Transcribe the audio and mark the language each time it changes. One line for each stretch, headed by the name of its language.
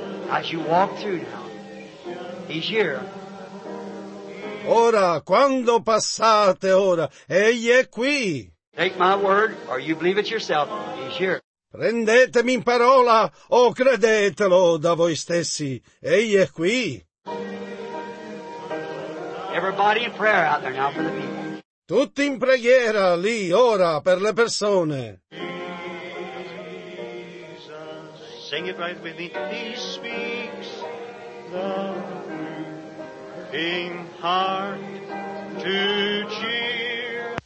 English: As you walk through now, he's here.
Italian: Ora, quando passate ora, egli è qui.
English: Take my word, or you believe it yourself, he's here.
Italian: Prendetemi in parola, o credetelo da voi stessi, egli è qui.
English: Everybody in prayer out there now for the people.
Italian: Tutti in preghiera lì, ora, per le persone.
English: Jesus, sing it right with me, he speaks the in heart to cheer.